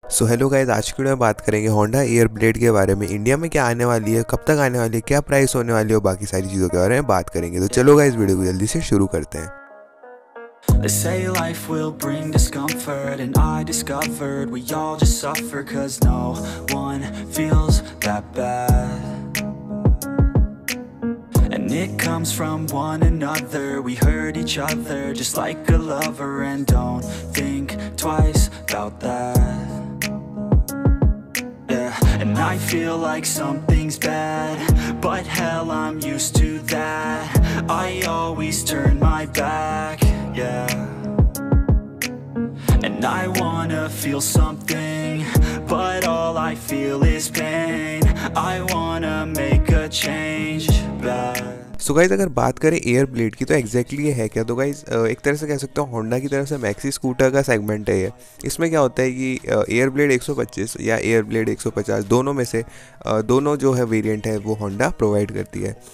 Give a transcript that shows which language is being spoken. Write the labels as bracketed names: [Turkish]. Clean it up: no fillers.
[Hindi] So hello guys, आज की video में बात करेंगे होंडा ईयर ब्लेड के बारे में। इंडिया में क्या आने वाली है, कब तक आने वाली है, क्या प्राइस होने वाली है और बाकी सारी चीज़ों के बारे में बात करेंगे। तो चलो गाइस, वीडियो को जल्दी से शुरू करते हैं। [English] They say life will bring discomfort, and I discovered we all just suffer, 'cause no one feels that bad. And it comes from one another, we hurt each other just like a lover, and don't think twice about that. And I feel like something's bad, but hell, I'm used to that. I always turn my back, yeah. And I wanna feel something, but all I feel is pain. I wanna make a change, but [Hindi] so guys, अगर बात करें air blade की तो exactly ये है क्या। तो guys, एक तरह से कह सकते हो होंडा की तरफ से मैक्सी स्कूटर का सेगमेंट है ये। इसमें क्या होता है कि एयर ब्लेड 125 या एयर ब्लेड 150, दोनों में से दोनों जो है वेरिएंट है वो होंडा प्रोवाइड करती है।